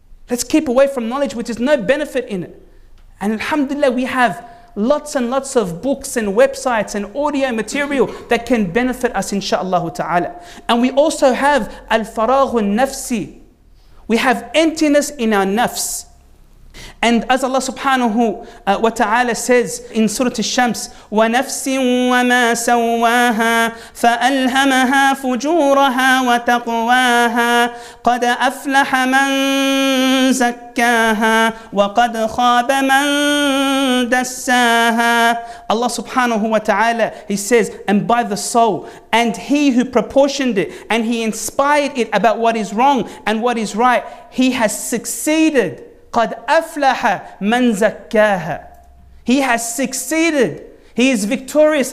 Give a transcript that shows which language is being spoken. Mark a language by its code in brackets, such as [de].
[en] Let's keep away from knowledge which is no benefit in it. And alhamdulillah, we have lots and lots of books and websites and audio material that can benefit us insha'Allah ta'ala. And we also have al-faraghun nafsi. We have emptiness in our nafs. And as Allah subhanahu wa ta'ala says in Surah Al-Shams, [ar] وَنَفْسٍ وَمَا سَوَّاهَا فَأَلْهَمَهَا فُجُورَهَا وَتَقْوَاهَا قَدْ أَفْلَحَ مَنْ زَكَّاهَا وَقَدْ خَابَ مَنْ دَسَّاهَا. [en] Allah subhanahu wa ta'ala, he says, and by the soul, and he who proportioned it, and he inspired it about what is wrong and what is right, he has succeeded. [ar] قَدْ أَفْلَحَ مَنْ زَكَّاهَا. [en] He has succeeded. He is victorious.